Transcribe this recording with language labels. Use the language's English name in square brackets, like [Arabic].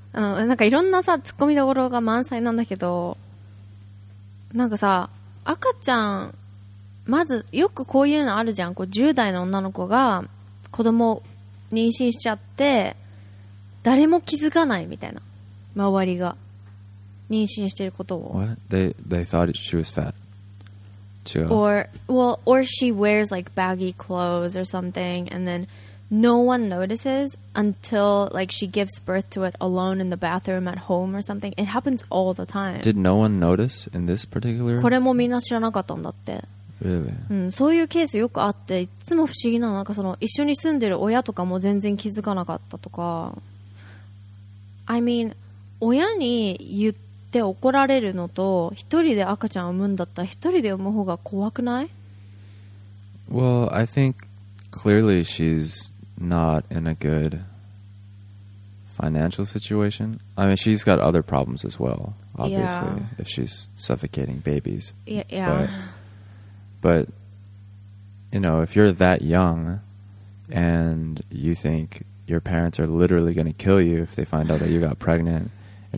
[Japanese] なんかいろんなさ、ツッコミどころが満載なんだけど、なんかさ、赤ちゃん、まずよくこういうのあるじゃん。こう10代の女の子が子供を妊娠しちゃって、誰も気づかないみたいな、周りが。妊娠してることを。 [English] What? They thought she was fat. [Japanese] 違う。 [English] Or she wears like baggy clothes or something, and then no one notices until like she gives birth to it alone in the bathroom at home or something. It happens all the time. Did no one notice in this particular? [Japanese] これもみんな知らなかったんだって。 [English] Really? [Japanese] うん、そういうケースよくあって、いつも不思議な、なんかその一緒に住んでる親とかも全然気づかなかったとか。 [English] I mean, [Japanese] 親に言ってで怒られるのと一人で赤ちゃん産むんだったら一人で産む方が怖くない？ [English] Well, I think clearly she's not in a good financial situation. I mean, she's got other problems as well, obviously,、 yeah. if she's suffocating babies. Yeah. But, you know, if you're that young and you think your parents are literally going to kill you if they find out that you got pregnant and、